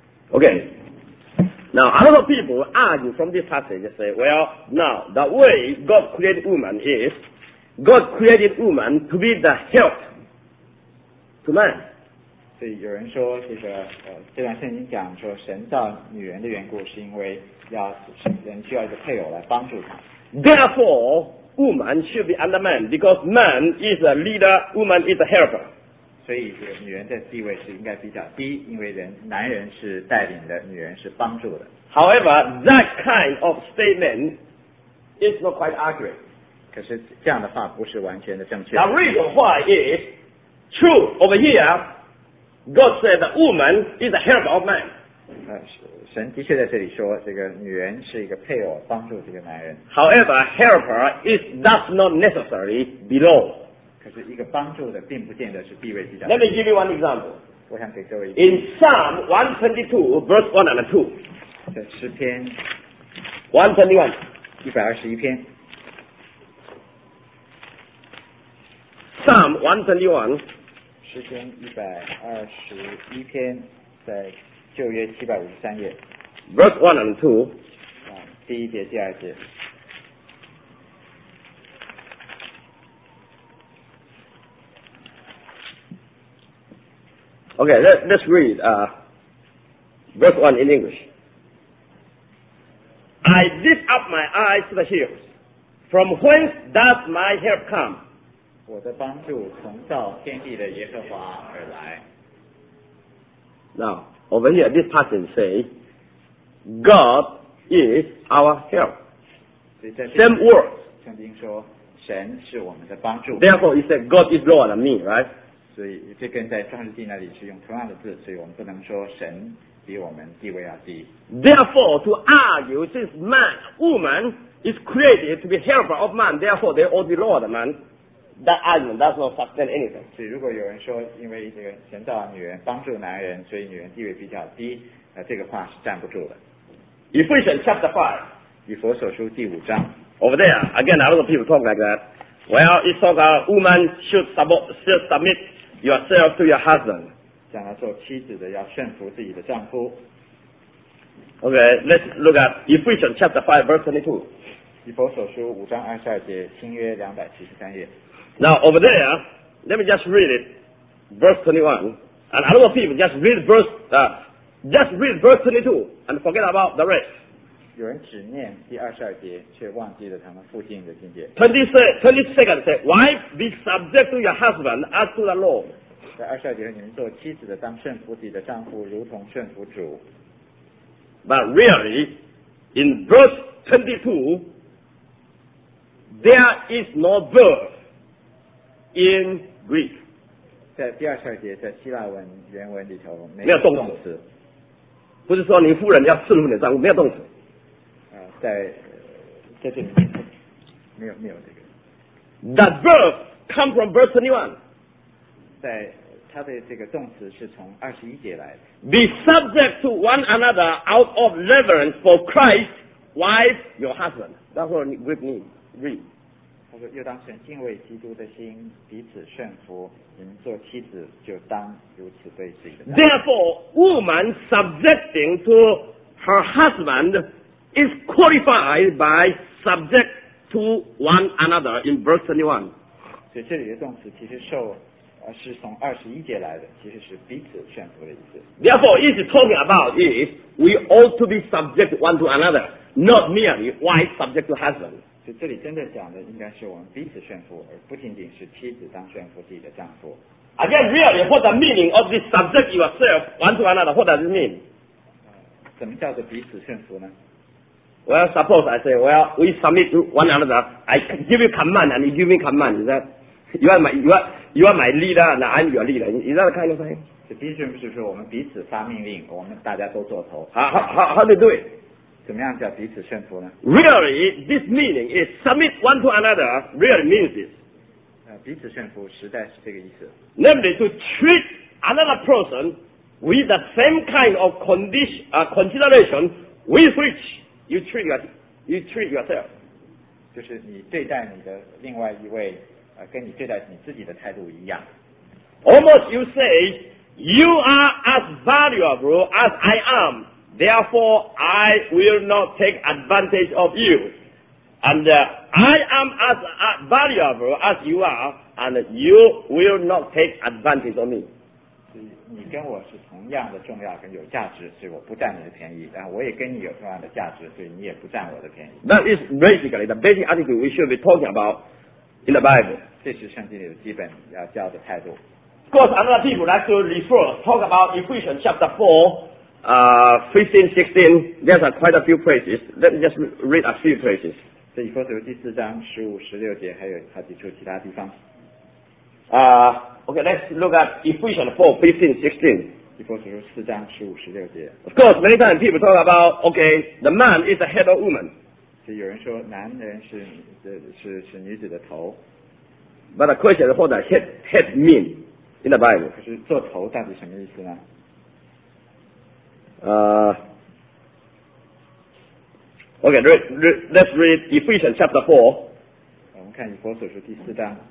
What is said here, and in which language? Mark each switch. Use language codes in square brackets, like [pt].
[en] OK, now a lot of people argue from this passage, say, well, now the way God created woman is, God created woman to be the help to man. [zh] 所以有人说，其实这段圣经讲说，神造女人的缘故，是因为要人需要一个配偶来帮助他。 [en] Therefore, woman should be under man because man is a leader, woman is a helper. [zh] 所以女人的地位是应该比较低，因为人男人是带领的，女人是帮助的。 [en] However, that kind of statement is not quite accurate. [zh] 可是这样的话不是完全的正确。 [en] The reason why is true over here. God said the woman is the help of man. [zh] 神的确在这里说，这个女人是一个配偶，帮助这个男人。 [en] However, helper is does not necessarily below. [zh] 可是一个帮助的并不见得是地位比较。 [en] Let me give you one example. [zh] 我想给各位。 [en] In Psalm 122, verse 1 and 2. [zh] 诗篇。 121. 121篇。 [en] Psalm 121. [zh] 诗篇一百二十一篇，在旧约七百五十三页 [en] ，verse one and two， [zh] 第一节第二节。 [en] Okay, let's read verse one in English. I lift up my eyes to the hills. From whence does my help come? [zh] 我的帮助从造天地的耶和华而来。 [en] Now, over here, this passage says, God is our help. Same word. [zh] 圣经说，神是我们的帮助。 [en] Therefore, it said, God is lower than me, right? [zh] 所以这跟在创世纪那里是用同样的字，所以我们不能说神比我们地位要低。 [en] Therefore, to argue, since man, woman is created to be helper of man, therefore they ought to be lower than man. That argument does not sustain anything. [zh] 所以如果有人说因为这个神造女人帮助男人，所以女人地位比较低，这个话是站不住的。 [en] Ephesians chapter 5. [zh] 以弗所书第五章。 [en] Over there, again, a lot of people talk like that. Well, it's talk about woman should submit yourself to your husband. [zh] 讲到做妻子的要顺服自己的丈夫。 [en] Okay, let's look at Ephesians chapter 5, verse 22. [zh] 以弗所书五章二十二节，新约两百七十三页。 [en] Now over there, let me just read it, verse 21, and a lot of people just read verse 22 and forget about the rest. [zh] 有人只念第二十二节，却忘记了他们附近的境界。 [en] 22nd say, wife, be subject to your husband as to the Lord. [zh] 在二十二节，你们做妻子的，当顺服自己的丈夫，如同顺服主。 [en] But really, in verse 22, there is no verb. In Greek, [zh] 在第二十二节，在希腊文原文里头没有动词，不是说你夫人要顺服你的丈夫，没有动词。在这里没有这个。 [en] That verb come from verse 21. [zh] 在它的这个动词是从二十一节来的。 [en] Be subject to one another out of reverence for Christ, wife, your husband. That's what Greek means. Read. [zh] 又当存敬畏基督的心，彼此顺服。你们做妻子，就当如此对自己的。 [en] Therefore, woman subjecting to her husband is qualified by subject to one another in verse 21. [zh] 所以这里的动词其实受，是从二十一节来的，其实是彼此顺服的意思。 [en] Therefore, it is talking about if we ought to be subject one to another, not merely wife subject to husband. [zh] 所以这里真的讲的应该是我们彼此顺服，而不仅仅是妻子当顺服自己的丈夫。 [en] Again, really, what the meaning of this subject yourself one to another? What does it mean? [zh] 怎么叫做彼此顺服呢 [en] ？Well, suppose I say, well, we submit to one another. I give you command and you give me command. Is that you are my leader and I'm your leader? Is that the kind of thing? [zh] 这彼此顺服就是我们彼此发命令，我们大家都做头。 [en] How do you do it? [zh] 怎么样叫彼此顺服呢 [en] ？Really, this meaning is submit one to another. Really means this. [zh] 彼此顺服实在是这个意思。 [en] Namely, to treat another person with the same kind of consideration with which you treat yourself. [zh] 就是你对待你的另外一位，跟你对待你自己的态度一样。 [en] Almost you say You are as valuable as I am. Therefore, I will not take advantage of you. And I am as valuable as you are, and you will not take advantage of me. [zh] 你跟我是同样的重要跟有价值，所以我不占你的便宜，但我也跟你有同样的价值，所以你也不占我的便宜。 [en] That is basically the basic attitude we should be talking about in the Bible. [zh] 这是圣经里的基本要教的态度。 [en] Of course, another people like to refer, talk about Ephesians chapter 4, 15, 16, there are quite a few places. Let me just read a few places. [zh] 所以说是第四章十五十六节还有好几处其他地方。 [en] Okay, let's look at Ephesians 4, 15, 16. Ephesians 4, 15, 16. Of course, many times people talk about, okay, the man is the head of woman. [zh] 有人说男人 是女子的头。 [en] But the question is what does head mean in the Bible? [zh] 可是做头到底什么意思呢？ [en] Okay, let's read Ephesians chapter 4. [zh] 我们看Ephesians 4, 第四章。